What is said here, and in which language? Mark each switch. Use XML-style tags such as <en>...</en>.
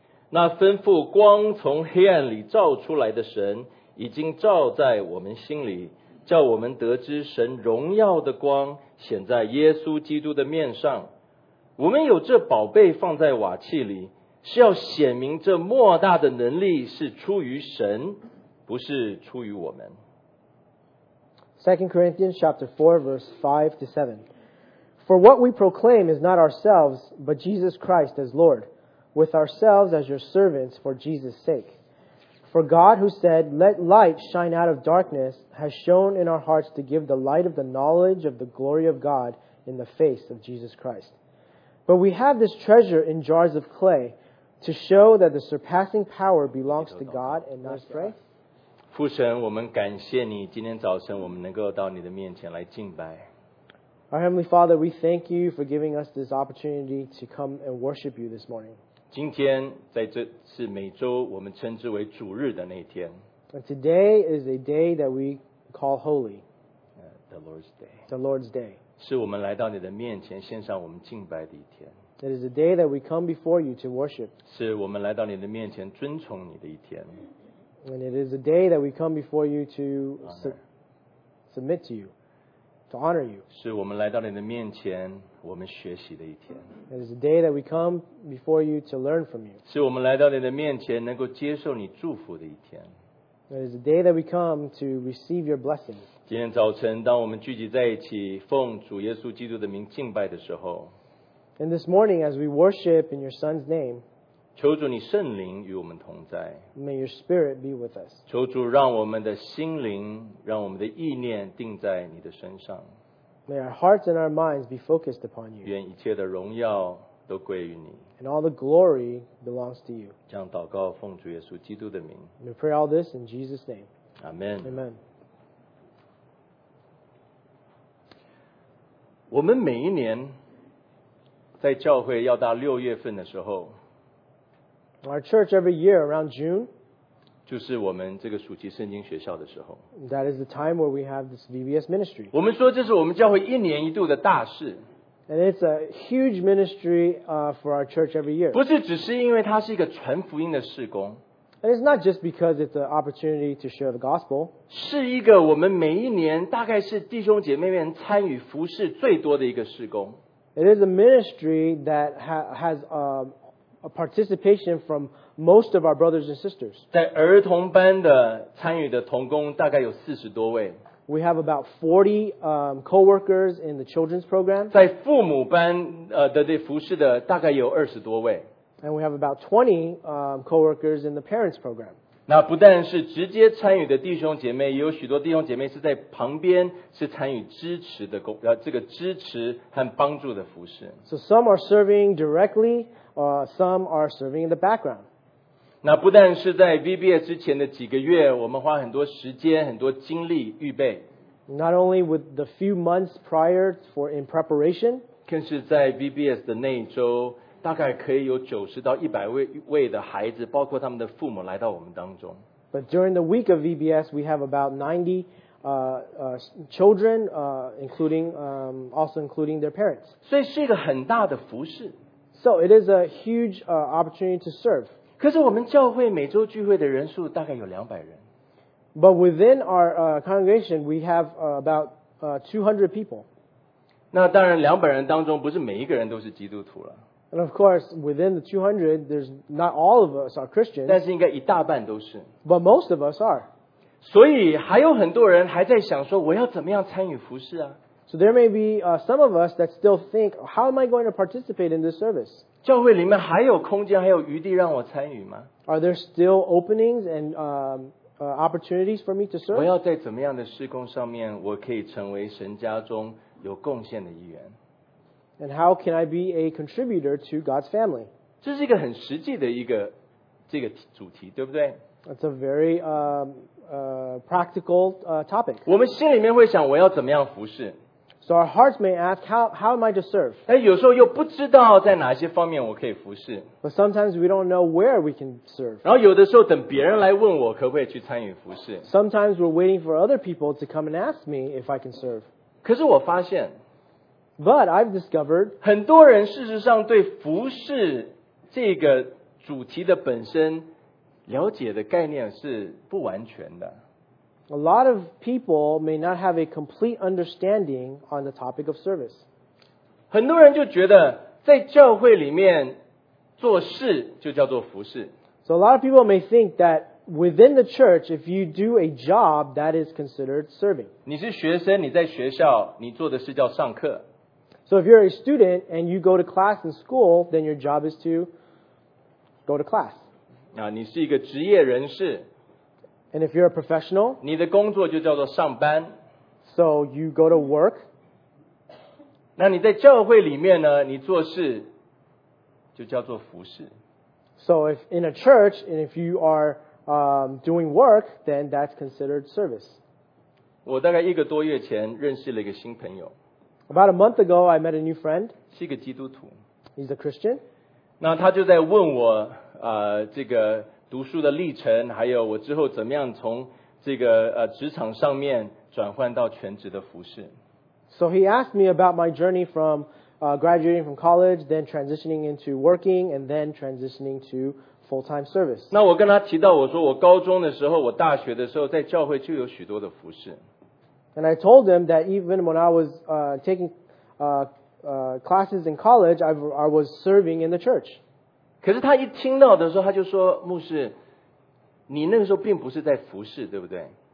<zh>那吩咐光从黑暗里照出来的神，已经照在我们心里，叫我们得知神荣耀的光显在耶稣基督的面上。我们有这宝贝放在瓦器里，是要显明这莫大的能力是出于神，不是出于我们。</zh> <en>2 Corinthians chapter 4 verse 5 to 7. For what we proclaim is not ourselves, but Jesus Christ as Lord, with ourselves as your servants for Jesus' sake. For God who said, Let light shine out of darkness, has shown in our hearts to give the light of the knowledge of the glory of God in the face of Jesus Christ. But we have this treasure in jars of clay to show that the surpassing power belongs to God and not to us.</en> <zh>父神，我们感谢你，今天早晨我们能够到你的面前来敬拜。</zh> <en>Our Heavenly Father, we thank you for giving us this opportunity to come and worship you this morning.</en> <zh>今天在这次每周我们称之为主日的那天。</zh> <en>And today is a day that we call holy. The Lord's Day. The Lord's Day.</en> <zh>是我们来到你的面前献上我们敬拜的一天。</zh> <en>It is a day that we come before you to worship.</en> <zh>是我们来到你的面前遵从你的一天。</zh> <en>And it is a day that we come before you to submit to you, to honor you.</en> <zh>是我们来到你的面前我们学习的一天。</zh> <en>It is a day that we come before you to learn from you.</en> <zh>是我们来到你的面前能够接受你祝福的一天。</zh> <en>It is the day that we come to receive your blessings.</en> <zh>今天早晨，当我们聚集在一起，奉主耶稣基督的名敬拜的时候</zh> <en>，And this morning as we worship in your Son's name,</en> <zh>求主你圣灵与我们同在</zh> <en>，May your Spirit be with us.</en> <zh>求主让我们的心灵，让我们的意念定在你的身上</zh> <en>，May our hearts and our minds be focused upon you.</en> <zh>愿一切的荣耀都归于你。</zh> <en>And all the glory belongs to you.</en> <zh>这样祷告，奉主耶稣基督的名。</zh> <en>We pray all this in Jesus' name. Amen. Amen.</en> <zh>我们每一年在教会要到六月份的时候</zh> <en>，Our church every year around June.</en> <zh>就是我们这个暑期圣经学校的时候。</zh> <en>That is the time where we have this VBS ministry.</en> <zh>我们说这是我们教会一年一度的大事。</zh> <en>And it's a huge ministry for our church every year.</en> <zh>不是只是因为它是一个传福音的事工。</zh> <en>And it's not just because it's an opportunity to share the gospel.</en> <zh>是一个我们每一年大概是弟兄姐妹们参与服事最多的一个事工。</zh> <en>It is a ministry that has a participation from most of our brothers and sisters.</en> <zh>在儿童班的参与的同工大概有40多位。</zh> <en>We have about 40 co-workers in the children's program.</en> <zh>在父母班的服事的大概有20多位。</zh> <en>And we have about 20 co-workers in the parents program.</en> <zh>那不但是直接参与的弟兄姐妹，也有许多弟兄姐妹是在旁边是参与支持的这个支持和帮助的服事。</zh> <en>So some are serving directly, some are serving in the background.</en> <zh>那不但是在 VBA 之前的几个月，我们花很多时间、很多精力预备。</zh> <en>Not only with the few months prior for in preparation，</en> <zh>更是在 VBS 的那一周，大概可以有90到100位的孩子，包括他们的父母来到我们当中。</zh> <en>But during the week of VBS, we have about 90 children, including their parents.</en> <zh>所以是一个很大的服事。</zh> <en>So it is a huge opportunity to serve.</en> <zh>可是我们教会每周聚会的人数大概有200人。</zh> <en>But within our congregation, we have about 200 people.</en> <zh>那当然200人当中不是每一个人都是基督徒了。</zh> <en>And of course, within the 200, there's not all of us are Christians.</en> <zh>但是应该一大半都是。</zh> <en>But most of us are.</en> <zh>所以还有很多人还在想说我要怎么样参与服事啊。</zh> <en>So there may be some of us that still think, how am I going to participate in this service?</en> <zh>教会里面还有空间还有余地让我参与吗？</zh> <en>Are there still openings and opportunities for me to serve?</en> <zh>我要在怎么样的事工上面我可以成为神家中有贡献的一员。</zh> <en>And how can I be a contributor to God's family?</en> <zh>这是一个很实际的一个这个主题，对不对？</zh> <en>It's a very practical topic.</en> <zh>我们心里面会想我要怎么样服事。</zh> <en>So our hearts may ask, how am I to serve?</en> <zh>但有时候又不知道在哪些方面我可以服事。</zh> <en>But sometimes we don't know where we can serve.</en> <zh>然后有的时候等别人来问我可不可以去参与服事。</zh> <en>Sometimes we're waiting for other people to come and ask me if I can serve.</en> <zh>可是我发现，</zh> <en>But I've discovered,</en> <zh>很多人事实上对服事这个主题的本身了解的概念是不完全的。</zh> <en>A lot of people may not have a complete understanding on the topic of service.</en> <zh>很多人就觉得在教会里面做事就叫做服事。</zh> <en>So a lot of people may think that within the church, if you do a job, that is considered serving.</en> <zh>你是学生，你在学校，你做的事叫上课。</zh> <en>So if you're a student and you go to class in school, then your job is to go to class.</en> <zh>你是一个职业人士。</zh> <en>And if you're a professional,</en> <zh>你的工作就叫做上班。</zh> <en>So you go to work.</en> <zh>那你在教会里面呢，你做事就叫做服事。</zh> <en>So if in a church, and if you are doing work, then that's considered service.</en> <zh>我大概一个多月前认识了一个新朋友。</zh> <en>About a month ago, I met a new friend.</en> <zh>是一个基督徒。</zh> <en>He's a Christian.</en> <zh>那他就在问我这个读书的历程，还有我之后怎么样从这个职场上面转换到全职的服事。</zh> <en>So he asked me about my journey from graduating from college, then transitioning into working, and then transitioning to full-time service.</en> <zh>那我跟他提到，我说我高中的时候，我大学的时候，在教会就有许多的服事。</zh> <en>And I told him that even when I was taking classes in college, I was serving in the church.</en> <zh>可是他一听到的时候，他就说，牧师，你那个时候并不是在服事，对不对？</zh>